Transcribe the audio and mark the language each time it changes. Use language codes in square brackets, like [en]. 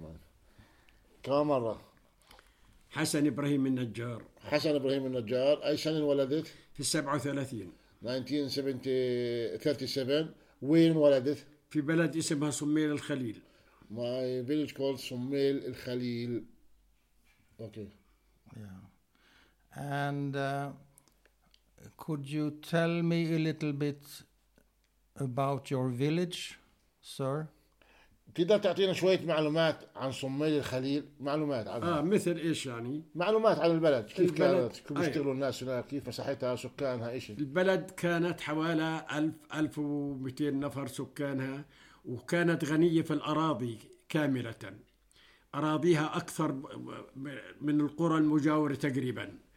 [ar] mind كم مرة حسن إبراهيم النجار حسن إبراهيم النجار أي سنة ولدت في 37 1937 وين ولدت في بلد اسمها صميل الخليل [en] my village called صميل الخليل okay yeah And could you tell me a little bit about your village, sir? [ar] تقدر تعطينا شوية معلومات عن صميل الخليل معلومات عنها. مثل إيش يعني؟ معلومات عن البلد كيف كانت كيف يشتغلوا الناس هناك كيف مساحتها سكانها إيش؟ البلد كانت حوالي 1200 نفر سكانها وكانت غنية في الأراضي كاملة أراضيها أكثر من القرى المجاورة تقريبا.